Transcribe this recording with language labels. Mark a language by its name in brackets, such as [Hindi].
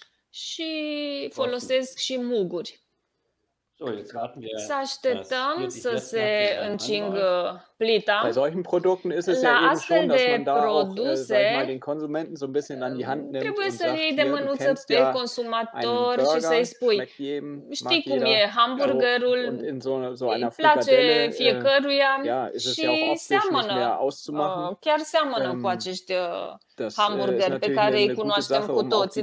[Romanian] Și folosesc și muguri. Să așteptăm să se încingă plita. [German] Bei solchen Produkten ist es ja eben schon, dass man da produse, auch, mal den Konsumenten so ein bisschen an die Hand nimmt. [Romanian] Trebuie să iei de mânuță pe consumator și să-i spui, știi cum e hamburgerul, îi place fiecăruia și seamănă, chiar seamănă cu acești hamburgeri pe care îi cunoaștem cu toții.